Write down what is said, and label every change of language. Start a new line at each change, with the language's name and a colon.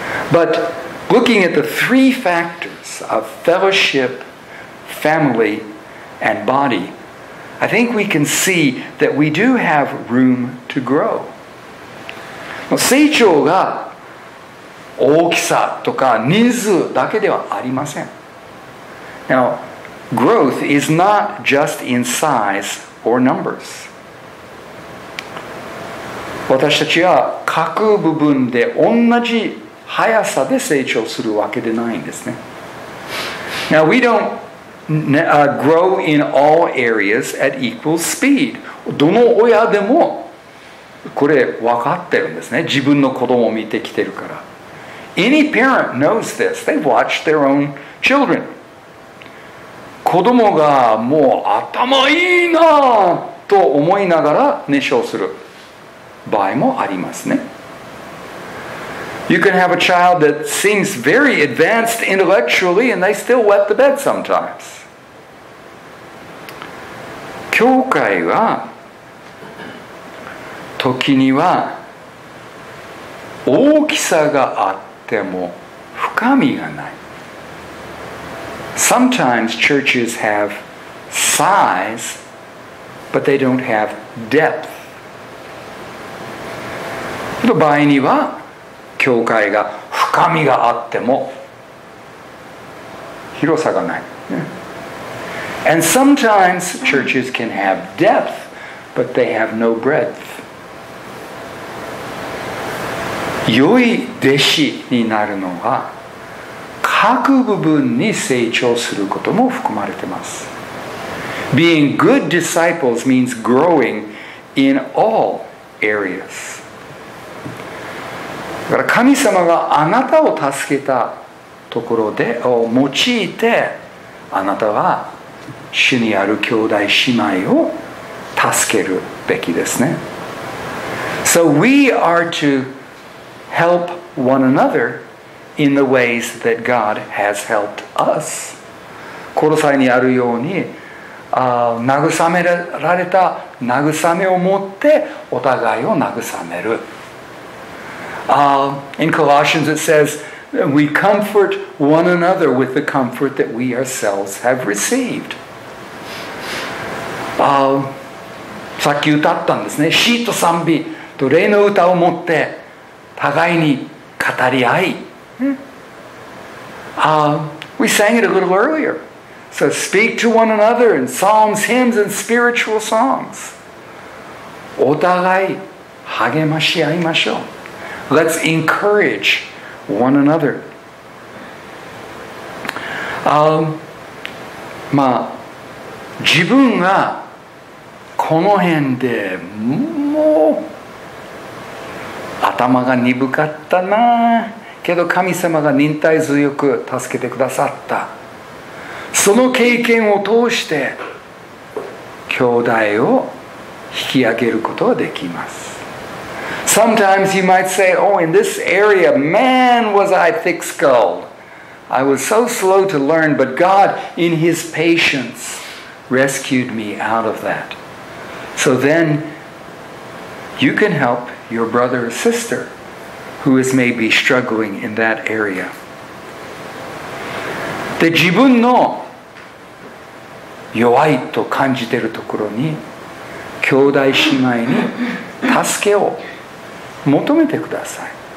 English: But looking at the three factors of fellowship, family, and body, I think we can see that we do have room to grow.
Japanese: 成長が大きさとか人数だけではありません。
English: Now, growth is not just in size or numbers.
Japanese: 私たちは各部分で同じ速さで成長するわけでないんですね。
English: Now, we don't grow in all areas at equal speed.
Japanese: どの親でもこれ分かってるんですね。自分の子供を見てきてるから。
English: Any parent knows this. They've watched their own children.
Japanese: 子供がもう頭いいなと思いながら熱唱する場合もありますね。
English: You can have a child that seems very advanced intellectually and they still wet the bed sometimes.
Japanese: 教会は時には大きさがあっても深みがない。
English: Sometimes churches have size, but they don't have depth.
Japanese: の場合には、教会が深みがあっても広さがない。
English: Yeah. And sometimes churches can have depth, but they have no breadth.
Japanese: 良い弟子になるのは各部分に成長することも含まれています。
English: Being good disciples means growing in all areas.
Japanese: だから神様があなたを助けたところでを用いて、あなたは主にある兄弟姉妹を助けるべきですね。
English: So we are to help one another. In the ways that God has helped us.
Japanese: コロサイにあるように、慰められた慰めを持ってお互いを慰める。
English: In Colossians it says, we comfort one another with the comfort that we ourselves have received.
Japanese: さっき歌ったんですね。詩と賛美と礼の歌を持って互いに語り合い。
English: We sang it a little earlier. So speak to one another in psalms, hymns, and spiritual songs.
Japanese: お互い励まし合いましょう。
English: Let's encourage one another.
Japanese: まあ自分がこの辺でもう頭が鈍かったな。けど神様が忍耐強く助けてくださった。その経験を通して兄弟を引き上げることができます。
English: Sometimes you might say, oh, in this area, man, was I thick-skulled. I was so slow to learn, but God, in His patience, rescued me out of that. So then, you can help your brother or sister. Who is maybe struggling in that area.
Japanese: で、自分の弱いと感じているところに兄弟姉妹に助けを求めてください。